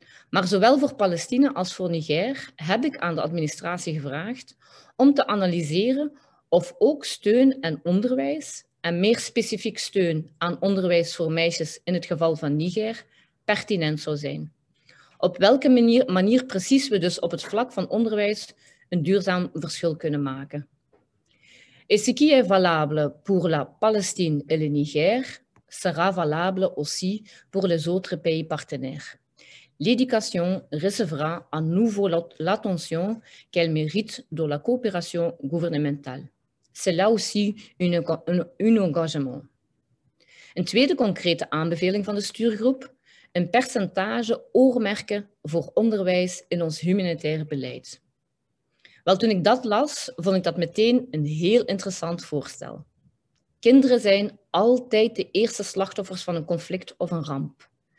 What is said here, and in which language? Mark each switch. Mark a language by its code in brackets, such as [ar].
[nl] Maar zowel voor Palestina als voor Niger heb ik aan de administratie gevraagd om te analyseren of ook steun en onderwijs, en meer specifiek steun aan onderwijs voor meisjes in het geval van Niger, pertinent zou zijn. Op welke manier precies we dus op het vlak van onderwijs een duurzaam verschil kunnen maken. [fr] Et ce qui est valable pour la Palestine et le Niger sera valable aussi pour les autres pays partenaires. L'éducation recevra à nouveau l'attention qu'elle mérite de la coopération gouvernementale. C'est là aussi un engagement. [nl] Een tweede concrete aanbeveling van de stuurgroep: een percentage oormerken voor onderwijs in ons humanitair beleid. Wel, toen ik dat las, vond ik dat meteen een heel interessant voorstel. Kinderen zijn altijd de eerste slachtoffers van een conflict of een ramp.